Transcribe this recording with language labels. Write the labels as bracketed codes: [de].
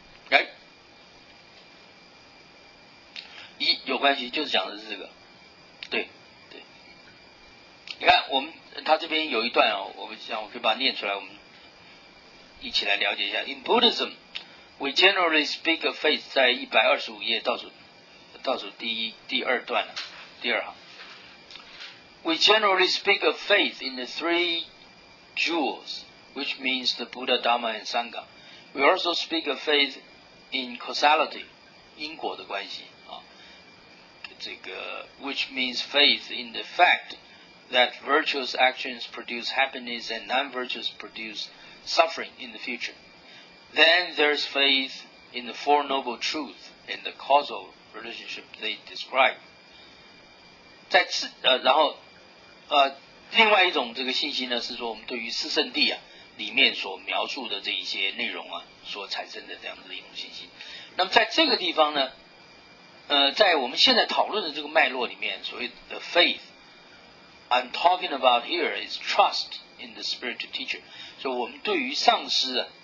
[zh] 哎，一有关系，就是讲的是这个，对，你看我们他这边有一段啊，我们想我可以把它念出来，我们一起来了解一下。 [en] In Buddhism, we generally speak of faith. [zh] 在125页倒数第二段，第二行。 [en] We generally speak of faith in the three jewels, which means the Buddha, Dhamma, and Sangha. We also speak of faith in causality, [zh] 因果的关系啊。这个 [en] which means faith in the fact that virtuous actions produce happiness and non-virtuous produce suffering in the future. Then there's faith in the Four Noble Truths and the causal relationship they describe. [zh] 然后另外一种这个信息呢，是说我们对于四圣谛啊里面所描述的这一些内容啊所产生的这样的一种信心。那么在这个地方呢，在我们现在讨论的这个脉络里面，所谓的 [en] faith I'm talking about here is trust in the spiritual teacher. [zh] 所以我们对于上师啊